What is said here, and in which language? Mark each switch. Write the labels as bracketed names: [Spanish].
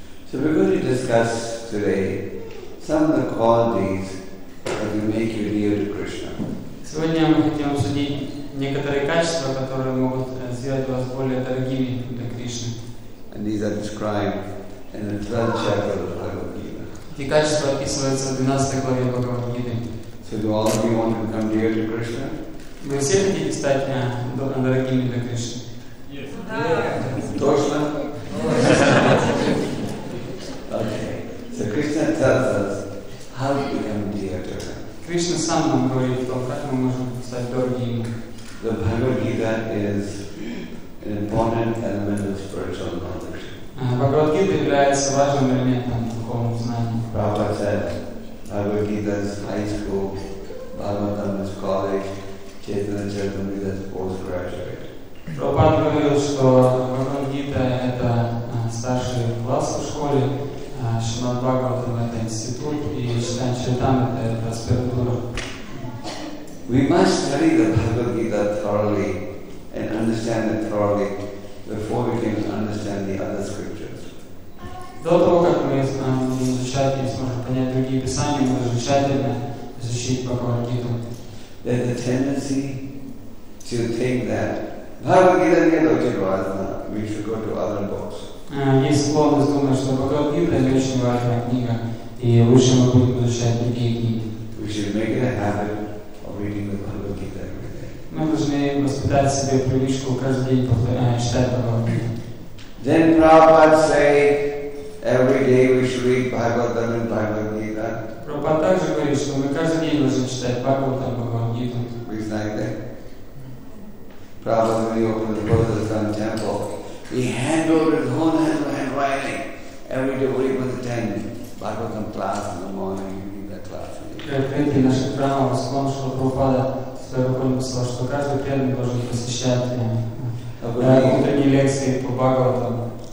[English] Today, some of the qualities that will make you near to Krishna. [Russian] Сегодня мы хотим обсудить некоторые качества, которые могут сделать вас более дорогими для Кришны. [English] And these are described in the 12th chapter of Bhagavad Gita. [Russian] Эти качества описываются в 12 главе Бхагавад Гиты. [English] So do all of you want to become dear to Krishna? [Russian] Вы все хотите стать дорогими для Кришны? [English] Yes. [Russian] Да. Точно? [English] So Krishna tells us how to become dear to him. [Russian] Krishna сам нам говорит о том, как мы можем стать дорогими. [English] The Bhagavad Gita is an important element of spiritual knowledge. [Russian] Bhagavad Gita является важным элементом духовного знания. [English] Prabhupada said, Bhagavad Gita is high school, Bhagavatam is college, Chaitanya Charitamrita is postgraduate. [Russian] Prabhupada говорил, что Bhagavad Gita это старший класс в школе, Шримад Бхагаватам это институт и Чайтанья Чаритамрита это аспирантура. [English] We must study the Bhagavad Gita thoroughly and understand it thoroughly before we can understand the other scriptures. [Russian] До того, как мы будем изучать и сможем понять другие писания, мы должны тщательно изучить Бхагавад Гиту. [English] There's a tendency to think that Bhagavad Gita [Russian] нет очень важно, [English] we should go to other books. [Russian] Есть склонность думать, что Бхагавад Гита не очень важная книга, и лучше мы будем изучать другие книги. [English] We should make it a habit of reading the Bhagavad Gita every day. [Russian] Мы должны воспитать в себе привычку каждый день читать Бхагавад Гиту. [English] Then Prabhupada say every day we should read Bhagavatam and Bhagavad Gita. [Russian] Прабхупада также говорит, что мы каждый день должны читать Бхагавад Гиту. [English] We like that. Prabhupada, when he opened the Bodhisattva temple, he handled his own handwriting. Every day we would attend Bhagavatam class in the morning and read that class. [Russian] Прабхупада наша храма восклонила Прабхупада своей рукой написала, что каждый преданный должен посещать утренние лекции по Бхагаватам.